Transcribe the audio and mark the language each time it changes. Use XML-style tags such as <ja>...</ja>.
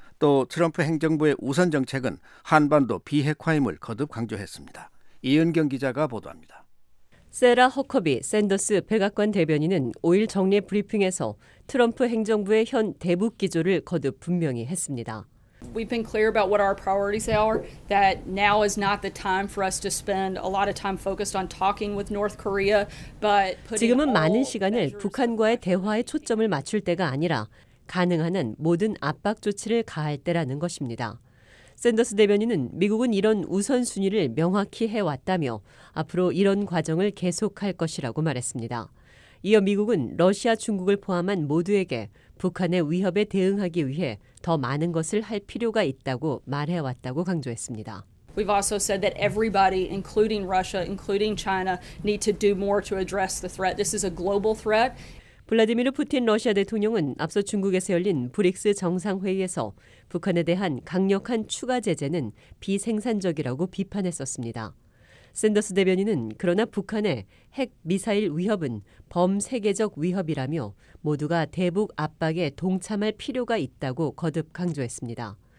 <ko>또 트럼프 행정부의 우선 정책은 한반도 비핵화임을 거듭 강조했습니다. 이은경 기자가 보도합니다. 세라 허커비 샌더스 백악관 대변인은 5일 정례 브리핑에서 트럼프 행정부의 현 대북 기조를 거듭 분명히 했습니다.</ko> <en>We've been clear about what our priorities are, that now is not the time for us to spend a lot of time focused on talking with North Korea, but</en> <ko>지금은 많은 시간을 북한과의 대화에 초점을 맞출 때가 아니라 가능한 한 모든 압박 조치를 가할 때라는 것입니다. 샌더스 대변인은 미국은 이런 우선순위를 명확히 해왔다며 앞으로 이런 과정을 계속할 것이라고 말했습니다. 이어 미국은 러시아, 중국을 포함한 모두에게 북한의 위협에 대응하기 위해 더 많은 것을 할 필요가 있다고 말해왔다고 강조했습니다.</ko> <en>We've also said that everybody, including Russia, including China, need to do more to address the threat. This is a global threat.</en> <ko>블라디미르 푸틴 러시아 대통령은 앞서 중국에서 열린 브릭스 정상회의에서 북한에 대한 강력한 추가 제재는 비생산적이라고 비판했었습니다. 샌더스 대변인은 그러나 북한의 핵 미사일 위협은 범세계적 위협이라며 모두가 대북 압박에 동참할 필요가 있다고 거듭 강조했습니다.</ko>